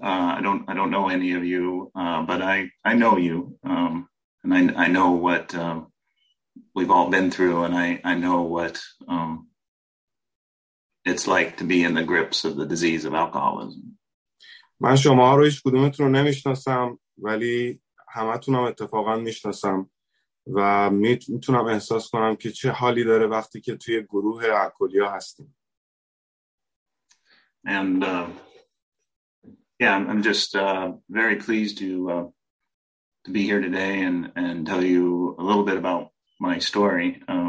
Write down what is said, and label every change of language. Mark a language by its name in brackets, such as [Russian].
[English] I don't know any of you, but I know you. And I know what we've all been through, and I know what it's like to be in the grips of the disease of alcoholism. [Persian] من شما رو هیچ کدومتون رو نمیشناسم، ولی همتونم اتفاقا میشناسم و میتونم احساس کنم که چه حالی داره وقتی که توی گروه الکلیا هستیم. [English] And I'm just very pleased to be here today and tell you a little bit about my story.